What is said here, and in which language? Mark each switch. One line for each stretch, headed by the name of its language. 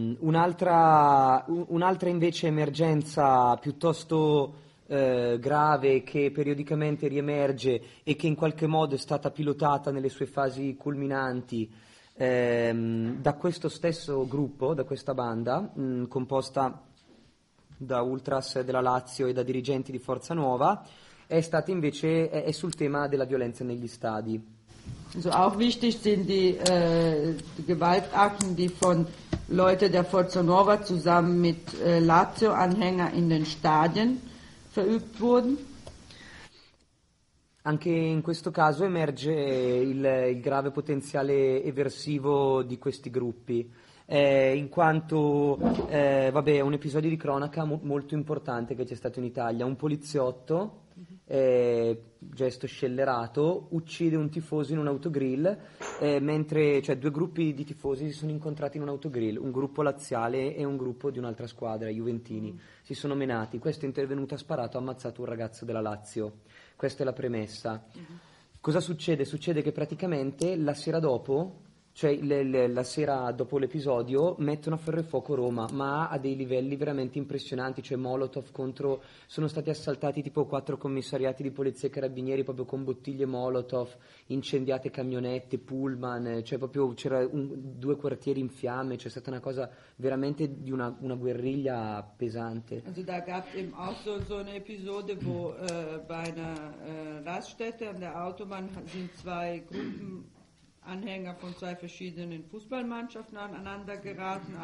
Italian: Un'altra invece emergenza piuttosto grave che periodicamente riemerge e che in qualche modo è stata pilotata nelle sue fasi culminanti da questo stesso gruppo, da questa banda composta da ultras della Lazio e da dirigenti di Forza Nuova, è stata invece è sul tema della violenza negli stadi.
German: Also auch wichtig sind die Gewaltakten, die von Leute der Forza Nuova zusammen mit Lazio-Anhänger in den Stadien verübt wurden.
Italian: Anche in questo caso emerge il grave potenziale eversivo di questi gruppi, in quanto, vabbè, un episodio di cronaca molto importante che c'è stato in Italia, un poliziotto... gesto scellerato, uccide un tifoso in un autogrill, mentre cioè due gruppi di tifosi si sono incontrati in un autogrill, un gruppo laziale e un gruppo di un'altra squadra, juventini, si sono menati, questo è intervenuto, ha sparato, ha ammazzato un ragazzo della Lazio. Questa è la premessa. Cosa succede? Succede che praticamente la sera dopo, cioè la sera dopo l'episodio, mettono a ferro e fuoco Roma, ma a dei livelli veramente impressionanti, cioè Molotov contro... Sono stati assaltati tipo 4 commissariati di polizia e carabinieri proprio con bottiglie Molotov, incendiate camionette, pullman, cioè proprio c'era 2 quartieri in fiamme, cioè è stata una cosa veramente di una guerriglia pesante.
German: Also da gab es eben auch so
Italian: un episodio
German: wo bei einer Raststätte an der Autobahn sind 2 Gruppen Anhänger von 2 verschiedenen Fußballmannschaften aneinander geraten.